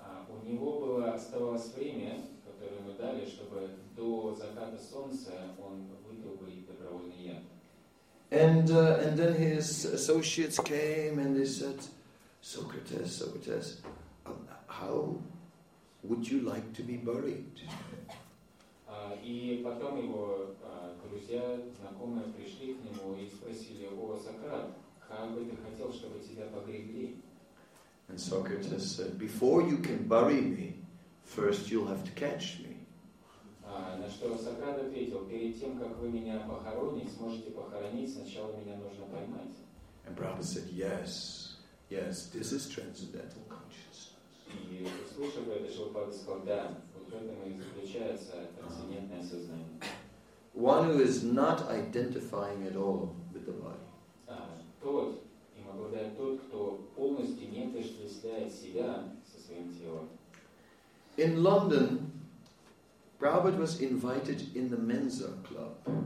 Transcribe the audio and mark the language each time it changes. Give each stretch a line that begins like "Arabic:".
Russian: У него было оставалось время, которое ему дали, чтобы до заката солнца он выпил бы добровольный яд.
English: And then his associates came and they said, Socrates, how would you like to be buried?
Russian: И потом его друзья, знакомые пришли к нему и спросили: о, Сократ, как бы ты хотел, чтобы тебя погребли?
English: And Socrates said, before you can bury me, first you'll have to catch me.
Russian: На что Сократ ответил, перед тем, как вы меня похороните, сможете похоронить, сначала меня нужно поймать.
English: And Prabhupada said, yes, this is transcendental consciousness.
Russian: И услышав это, Шилпада сказал, да, вот в этом и заключается трансцендентное сознание.
English: One who is not identifying at all with the body.
Russian: Тот, им обладает тот, кто полностью не отождествляет себя со своим телом.
English: In London, Prabhupada was invited in the Mensa Club.